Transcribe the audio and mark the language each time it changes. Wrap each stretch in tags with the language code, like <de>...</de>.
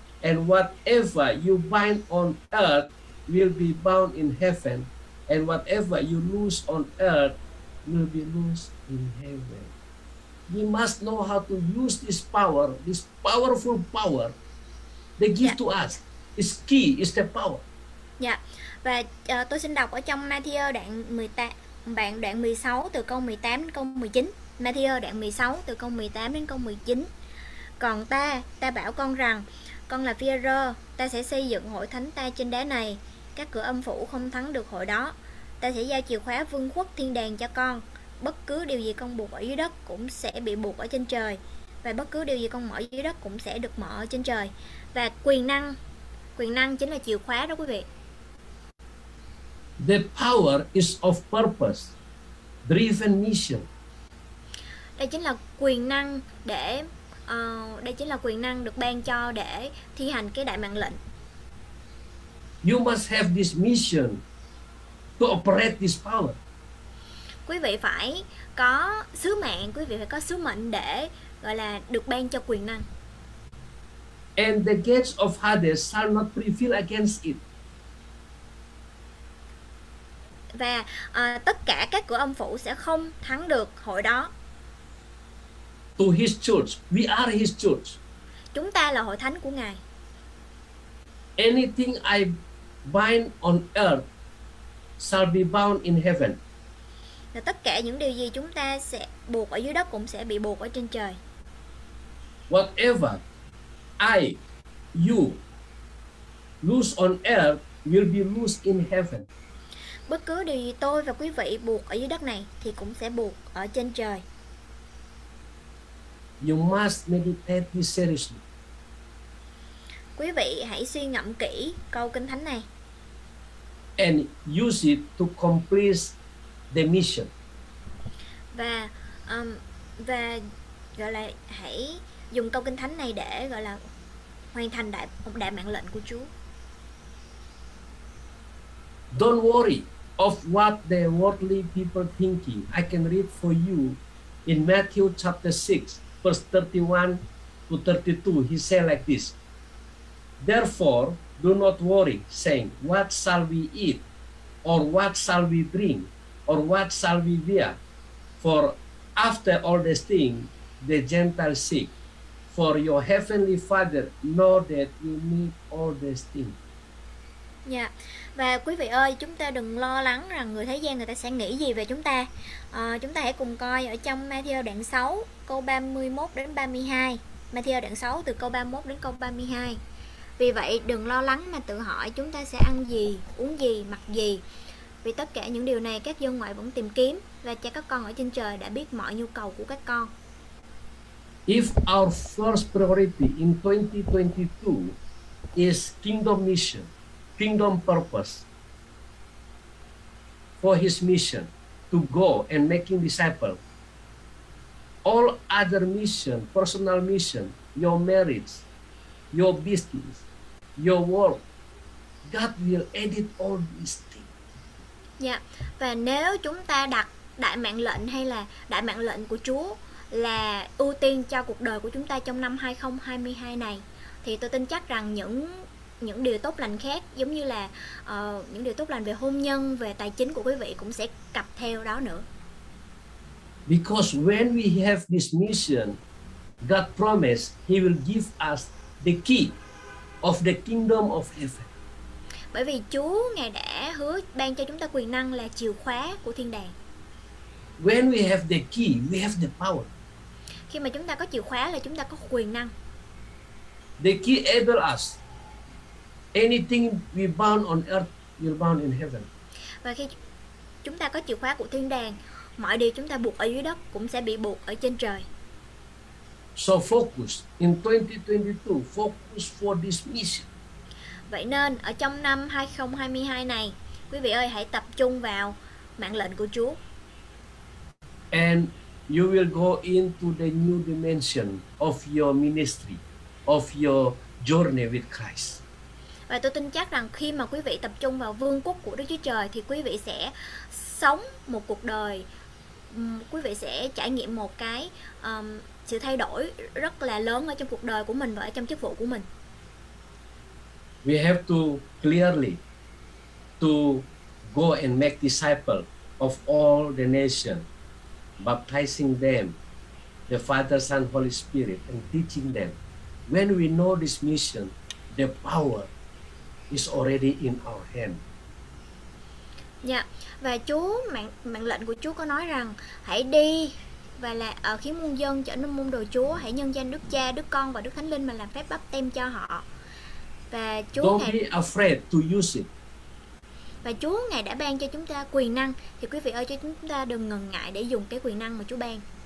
<en>and whatever you bind on earth will be bound in heaven, and whatever you loose on earth will be loose in heaven. We must know how to use this power, this powerful power they give to us. It's key, it's the power. Yeah.</en> <vi>Và tôi xin đọc ở trong Matthew đoạn 18, đoạn 16 từ câu 18 đến câu 19. Matthew đoạn 16 từ câu 18 đến câu 19. Còn ta bảo con rằng, con là Phi-e-rơ, ta sẽ xây dựng hội thánh ta trên đá này, các cửa âm phủ không thắng được hội đó. Ta sẽ giao chìa khóa vương quốc thiên đàng cho con. Bất cứ điều gì con buộc ở dưới đất cũng sẽ bị buộc ở trên trời, và bất cứ điều gì con mở dưới đất cũng sẽ được mở ở trên trời. Và quyền năng chính là chìa khóa đó quý vị.</vi> <en>The power is of purpose driven mission.</en> <vi>Đây chính là quyền năng để đây chính là quyền năng được ban cho để thi hành cái đại mạng lệnh.</vi> <en>You must have this mission to operate this power.</en> <vi>Quý vị phải có sứ mạng, quý vị phải có sứ mệnh để gọi là được ban cho quyền năng.</vi> <en>And the gates of Hades shall not prevail against it.</en> <vi>Và tất cả các cửa âm phủ sẽ không thắng được hội đó.</vi> <en>To his church, we are his church.</en> <vi>Chúng ta là hội thánh của Ngài.</vi> <en>Anything I bind on earth shall be bound in heaven.</en> <vi>Và tất cả những điều gì chúng ta sẽ buộc ở dưới đất cũng sẽ bị buộc ở trên trời.</vi> <en>Whatever I, you loose on earth will be loose in heaven.</en> <vi>Bất cứ điều gì tôi và quý vị buộc ở dưới đất này thì cũng sẽ buộc ở trên trời.</vi> <en>You must meditate this seriously.</en> <vi>Quý vị hãy suy ngẫm kỹ câu kinh thánh này.</vi> <en>And use it to complete the mission.</en> <vi>Và gọi là hãy dùng câu kinh thánh này để gọi là hoàn thành đại mạng lệnh của Chúa.</vi> <en>Don't worry of what the worldly people thinking. I can read for you in Matthew chapter 6, verse 31 to 32. He said like this: Therefore, do not worry, saying, What shall we eat? Or what shall we drink? Or what shall we wear? For after all these things, the Gentiles seek. For your heavenly Father know that you need all these things. Yeah.</en> <vi>Và quý vị ơi, chúng ta đừng lo lắng rằng người thế gian người ta sẽ nghĩ gì về chúng ta. Chúng ta hãy cùng coi ở trong Matthew đoạn 6, câu 31 đến 32. Matthew đoạn 6 từ câu 31 đến câu 32. Vì vậy đừng lo lắng mà tự hỏi chúng ta sẽ ăn gì, uống gì, mặc gì. Vì tất cả những điều này các dân ngoại vẫn tìm kiếm, và cha các con ở trên trời đã biết mọi nhu cầu của các con.</vi> <en>If our first priority in 2022 is kingdom mission, kingdom purpose for his mission to go and making disciples, all other mission, personal mission, your marriage, your business, your work, God will edit all these things. Yeah.</en> <vi>Và nếu chúng ta đặt đại mạng lệnh hay là đại mạng lệnh của Chúa là ưu tiên cho cuộc đời của chúng ta trong năm 2022 này, thì tôi tin chắc rằng những điều tốt lành khác, giống như là những điều tốt lành về hôn nhân, về tài chính của quý vị cũng sẽ cặp theo đó nữa.</vi> <en>Because when we have this mission, God promised he will give us the key of the kingdom of heaven.</en> <vi>Bởi vì Chúa Ngài đã hứa ban cho chúng ta quyền năng là chìa khóa của thiên đàng.</vi> <en>When we have the key, we have the power.</en> <vi>Khi mà chúng ta có chìa khóa là chúng ta có quyền năng.</vi> <en>The key enable us. Anything we bound on earth will bound in heaven.</en> <vi>Và khi chúng ta có chìa khóa của thiên đàng, mọi điều chúng ta buộc ở dưới đất cũng sẽ bị buộc ở trên trời.</vi> <en>So focus in 2022, focus for this mission.</en> <vi>Vậy nên ở trong năm 2022 này, quý vị ơi hãy tập trung vào mạng lệnh của Chúa.</vi> <en>And you will go into the new dimension of your ministry, of your journey with Christ.</en> <vi>Và tôi tin chắc rằng khi mà quý vị tập trung vào vương quốc của Đức Chúa Trời thì quý vị sẽ sống một cuộc đời, quý vị sẽ trải nghiệm một cái sự thay đổi rất là lớn ở trong cuộc đời của mình và ở trong chức vụ của mình.</vi> <en>We have to clearly to go and make disciples of all the nation, baptizing them, the Father, Son, Holy Spirit, and teaching them. When we know this mission, the power is already in our hand.</en> <vi>Dạ, và Chúa mệnh lệnh của Chúa có nói rằng hãy đi và là khiến muôn dân trở nên môn đồ Chúa, hãy nhân danh Đức Cha, Đức Con và Đức Thánh Linh mà làm phép báp têm cho họ. Và Chúa</vi> <en>Don't be afraid to use it.</en> <vi>Và Chúa ngài đã ban cho chúng ta quyền năng, thì quý vị ơi, cho chúng ta đừng ngần ngại để dùng cái quyền năng mà Chúa ban.</vi>